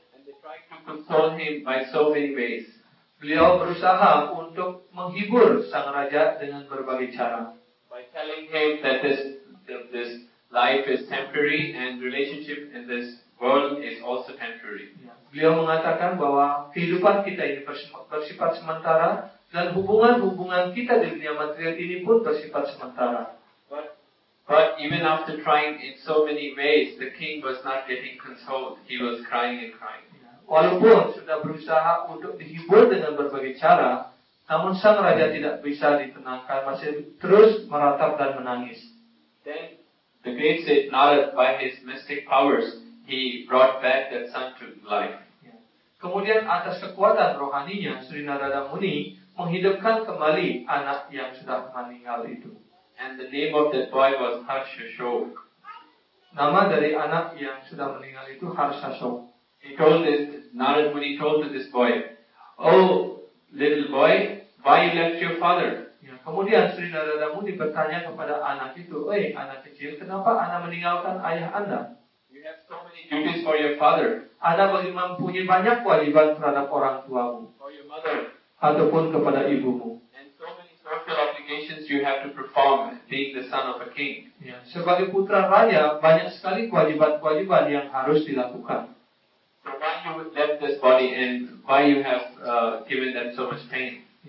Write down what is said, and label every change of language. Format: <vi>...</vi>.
<en>And they tried to console him by so many ways.</en> <id>Beliau berusaha untuk menghibur sang raja dengan berbagai cara.</id> <en>By telling him that this life is temporary and relationship in this world is also temporary.</en> <id>Beliau mengatakan bahwa kehidupan kita ini bersifat sementara dan hubungan-hubungan kita di dunia material ini pun bersifat sementara.</id> <en>But even after trying in so many ways, the king was not getting consoled. He was crying and crying.</en> <id>Walaupun sudah berusaha untuk dihibur dengan berbagai cara, namun sang raja tidak bisa ditenangkan, masih terus meratap dan menangis.</id> <en>Then the great sage Narada, by his mystic powers, he brought back that son to life.</en> <id>Kemudian atas kekuatan rohaninya, Sri Narada Muni menghidupkan kembali anak yang sudah meninggal itu.</id> <en>And the name of that boy was Harshashok.</en> <id>Nama dari anak yang sudah meninggal itu Harshashok.</id> <en>Narada Muni told to this boy, "Oh, little boy, why you left your father?"</en> <id>Kemudian Sri Narada Muni bertanya kepada anak itu, "Hey, anak kecil, kenapa anak meninggalkan ayah anda?"</id> <en>"You have so many duties for your father."</en> <id>Anak lebih mempunyai banyak kewajiban terhadap orang tuamu.</id> <en>"For your mother."</en> <id>Ataupun kepada ibumu.</id> <en>Social obligations you have to perform being the son of a king.</en> <id>Sebagai putra raja banyak sekali kewajiban-kewajiban yang harus dilakukan.</id> <en>So why you left this body and why you have given them so much pain?</en>